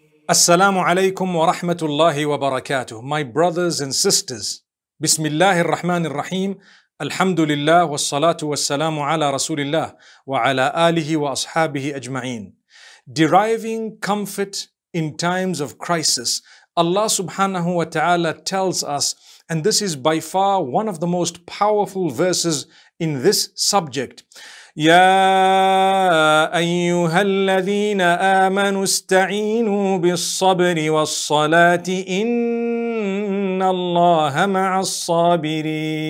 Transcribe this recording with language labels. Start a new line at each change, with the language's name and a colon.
Arabic: السلام عليكم ورحمة الله وبركاته.
English: My brothers and sisters,
Arabic: بسم الله الرحمن الرحيم. الحمد لله والصلاة والسلام على رسول الله وعلى آله وأصحابه أجمعين.
English: Deriving comfort in times of crisis, Allah subhanahu wa ta'ala tells us, and this is by far one of the most powerful verses in this subject.
Arabic: يا أيها الذين آمنوا استعينوا بالصبر والصلاة إن الله مع الصابرين.